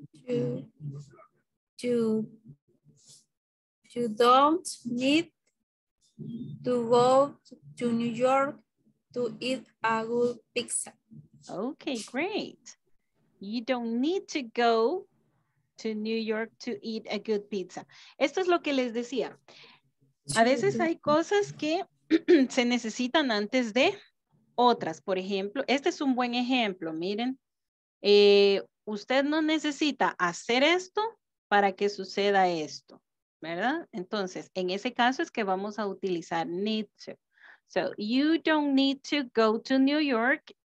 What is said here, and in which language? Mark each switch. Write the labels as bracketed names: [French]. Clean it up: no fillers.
[English] You don't need to go to New York to eat a good pizza. Okay, great. You don't need to go to New York to eat a good pizza. [Spanish] Esto es lo que les decía. A veces hay cosas que se necesitan antes de otras. Por ejemplo, este es un buen ejemplo. Miren, usted no necesita hacer esto para que suceda esto, ¿verdad? Entonces, en ese caso es que vamos a utilizar need to. [English] So, you don't need to go to New York.